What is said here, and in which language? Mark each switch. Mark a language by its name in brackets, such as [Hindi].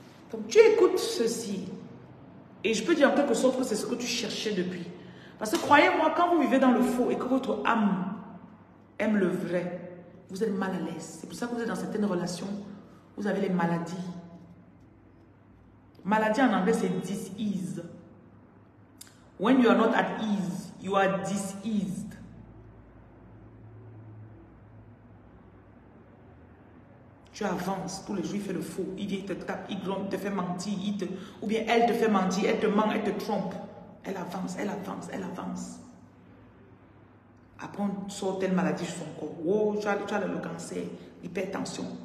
[French] Donc tu écoutes ceci, et je peux dire en quelque sorte que c'est ce que tu cherchais depuis. Parce que croyez-moi, quand vous vivez dans le faux et que votre âme aime le vrai, vous êtes mal à l'aise. C'est pour ça que vous êtes dans certaines relations, vous avez les maladies. Maladie en anglais, c'est dis-ease. [English] When you are not at ease, you are dis-eased. [French] Tu avances, tous les jours, il fait le faux. Il vient, il te tape, il grogne, il te fait mentir. Il te, ou bien elle te fait mentir, elle te ment, elle te trompe. Elle avance, elle avance, elle avance. Après, on sort telle maladie sur son corps. Oh, tu as le cancer, l'hypertension.